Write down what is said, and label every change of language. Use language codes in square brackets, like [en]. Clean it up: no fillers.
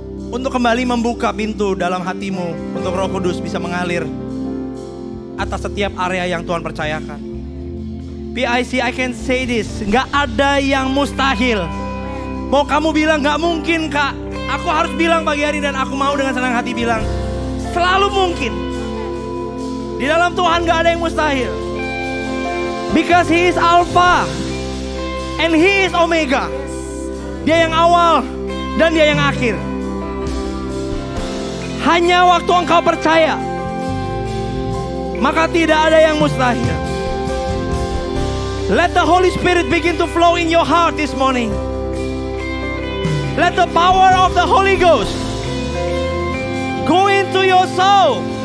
[id] Untuk kembali membuka pintu dalam hatimu untuk Roh Kudus bisa mengalir atas setiap area yang Tuhan percayakan. PIC, [en] I can say this, [id] gak ada yang mustahil. Mau kamu bilang gak mungkin kak, aku harus bilang pagi hari dan aku mau dengan senang hati bilang, selalu mungkin. Di dalam Tuhan gak ada yang mustahil. [en] Because He is Alpha and He is Omega. [id] Dia yang awal dan dia yang akhir. Hanya waktu engkau percaya, maka tidak ada yang mustahil. [en] Let the Holy Spirit begin to flow in your heart this morning. Let the power of the Holy Ghost go into your soul.